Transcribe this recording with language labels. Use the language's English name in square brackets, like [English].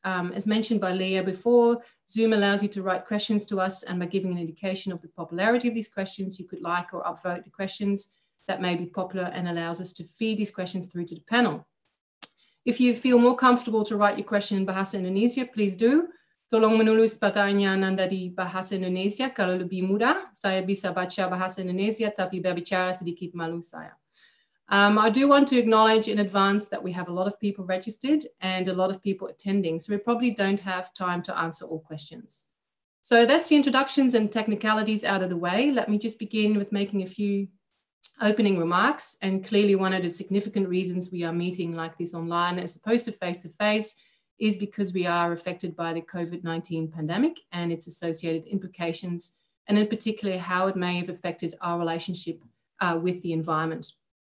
[English] As mentioned by Leah before, Zoom allows you to write questions to us, and by giving an indication of the popularity of these questions, you could like or upvote the questions that may be popular and allows us to feed these questions through to the panel. If you feel more comfortable to write your question in Bahasa Indonesia, please do. [Indonesian] Tolong menulis pertanyaan dari Bahasa Indonesia, kalau lebih mudah, saya bisa baca Bahasa Indonesia, tapi berbicara sedikit malu saya. [English] I do want to acknowledge in advance that we have a lot of people registered and a lot of people attending, so we probably don't have time to answer all questions. So that's the introductions and technicalities out of the way. Let me just begin with making a few opening remarks, and clearly one of the significant reasons we are meeting like this online as opposed to face-to-face is because we are affected by the COVID-19 pandemic and its associated implications, and in particular how it may have affected our relationship with the environment.